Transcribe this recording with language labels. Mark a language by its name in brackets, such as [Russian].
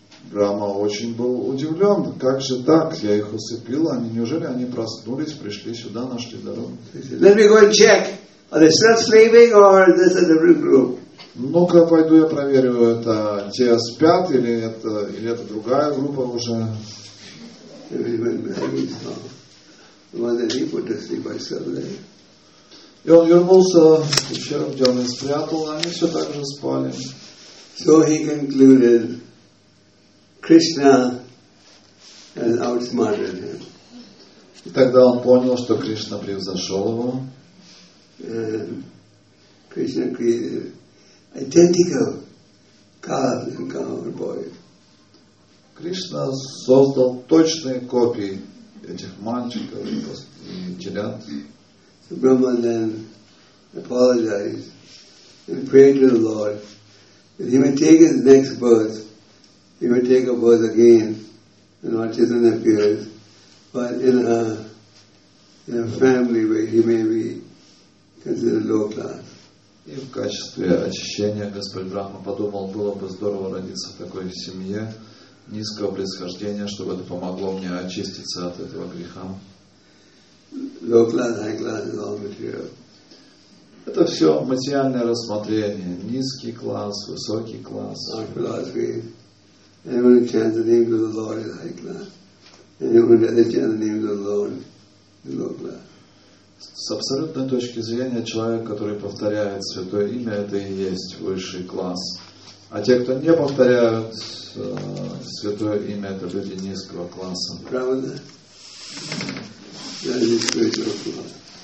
[Russian] Брама очень был удивлен. Как же так? Я их усыпил. Они неужели они проснулись, пришли сюда, нашли дорогу? [English] Let me go and check. Are they still sleeping or is this a different group? [Russian] Ну-ка, пойду я проверю, это те спят или это другая группа уже. И он вернулся вечером, где он их спрятал, они все так же спали. [English] So he concluded. Krishna has outsmarted him. [Russian] И тогда он понял, что Кришна превзошел его. [English] Krishna created identical cow and cowherd boys. [Russian] Кришна создал точные копии этих мальчиков и телят. [English] So Brahma then apologized and prayed to the Lord that he may take his next birth. He would take a birth again and not just in appearance, but in a family where he may be considered low class. [Russian] И в качестве очищения Господь Брахма подумал, было бы здорово родиться в такой семье низкого происхождения, чтобы это помогло мне очиститься от этого греха. [English] Low class, high class is all material. [Russian] Это все материальное рассмотрение. Низкий класс, высокий класс. [English] Our philosophy. Anyone who chants the name of the Lord is high class. Anyone who doesn't chant the name of the Lord is low class. [Russian] С абсолютной точки зрения, человек, который повторяет святое имя, это и есть высший класс. А те, кто не повторяют святое имя, это люди низкого класса. Правда? Это низкий класс.